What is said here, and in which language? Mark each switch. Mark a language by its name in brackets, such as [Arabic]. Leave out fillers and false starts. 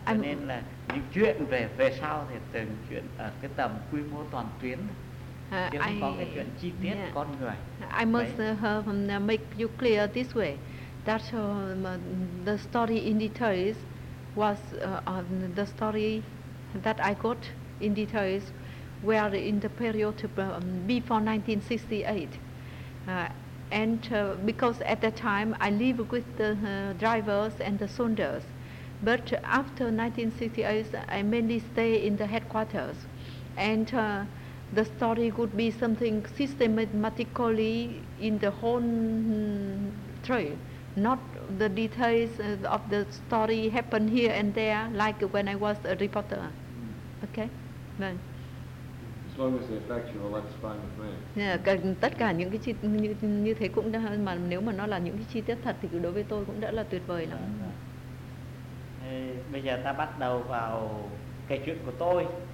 [Vietnamese] Cho nên là những chuyện về sau thì từng chuyện ở cái tầm quy mô toàn tuyến. [English] I must make you clear this way, that the story in details was the story that I got in details were in the period before 1968, and because at that time I lived with the drivers and the soldiers, but after 1968 I mainly stay in the headquarters, and the story could be something systematically in the whole trail, not the details of the story happen here and there, like when I was a reporter. Okay? No. As long as they're factual, that's fine with me. [Vietnamese] Yeah, tất cả những cái chi như thế cũng đã, mà nếu mà nó là những cái chi tiết thật thì đối với tôi cũng đã là tuyệt vời lắm. Bây giờ ta bắt đầu vào cái chuyện của tôi.